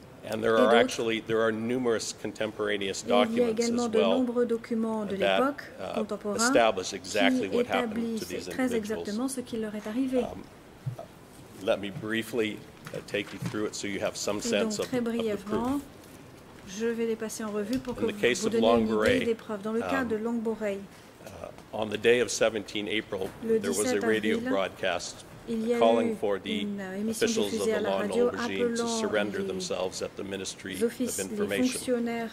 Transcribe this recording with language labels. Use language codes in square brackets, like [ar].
[en] And there are actually there are numerous contemporaneous documents as well [fr] de nombreux documents de l'époque contemporains [en] establish exactly what happened to these individuals. [fr] Exactement ce qui leur est arrivé. [en] Let me briefly take you through it so you have some sense [fr] donc, [en] of the proof. [fr] Je vais les passer en revue pour que vous vous donniez une idée des preuves. Dans le cas de Long Beret, [en] on the day of 17 April, there was a radio broadcast calling for the officials of the Lon Nol regime to surrender themselves at the Ministry of Information.